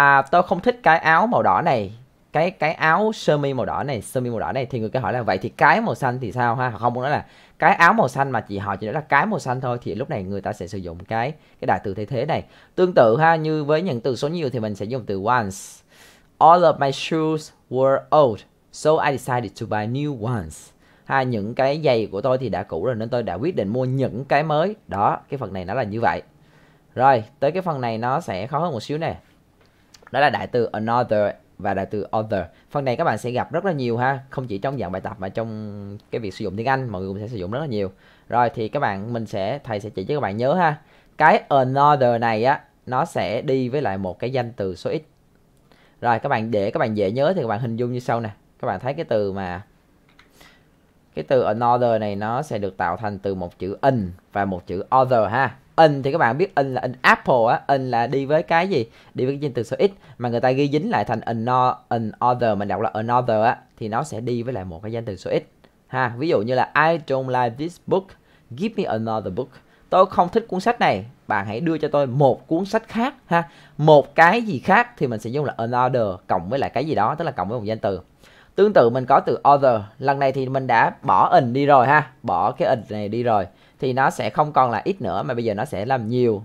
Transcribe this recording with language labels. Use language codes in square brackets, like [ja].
[vi] Tôi không thích cái áo màu đỏ này. Cái áo sơ mi màu đỏ này, sơ mi màu đỏ này. Thì người kia hỏi là vậy thì cái màu xanh thì sao ha? Họ không muốn nói là cái áo màu xanh mà chị họ chỉ nói là cái màu xanh thôi. Thì lúc này người ta sẽ sử dụng cái đại từ thay thế này. Tương tự ha, như với những từ số nhiều thì mình sẽ dùng từ once. [en] All of my shoes were old, so I decided to buy new ones. [vi] Ha, những cái giày của tôi thì đã cũ rồi nên tôi đã quyết định mua những cái mới. Đó, cái phần này nó là như vậy. Rồi, tới cái phần này nó sẽ khó hơn một xíu nè. Đó là đại từ another và đại từ other. Phần này các bạn sẽ gặp rất là nhiều ha, không chỉ trong dạng bài tập mà trong cái việc sử dụng tiếng Anh mọi người cũng sẽ sử dụng rất là nhiều. Rồi thì các bạn mình sẽ thầy sẽ chỉ cho các bạn nhớ ha. Cái another này á nó sẽ đi với lại một cái danh từ số ít. Rồi các bạn để các bạn dễ nhớ thì các bạn hình dung như sau nè. Các bạn thấy cái từ mà cái từ another này nó sẽ được tạo thành từ một chữ in và một chữ other ha. In thì các bạn biết in là in apple á, in là đi với cái gì? Đi với cái danh từ số ít mà người ta ghi dính lại thành another mình đọc là another á thì nó sẽ đi với lại một cái danh từ số ít ha. Ví dụ như là [en] I don't like this book, give me another book. [vi] Tôi không thích cuốn sách này, bạn hãy đưa cho tôi một cuốn sách khác ha. Một cái gì khác thì mình sẽ dùng là another cộng với lại cái gì đó, tức là cộng với một danh từ. Tương tự mình có từ other, lần này thì mình đã bỏ in đi rồi ha, bỏ cái in này đi rồi thì nó sẽ không còn là ít nữa mà bây giờ nó sẽ làm nhiều.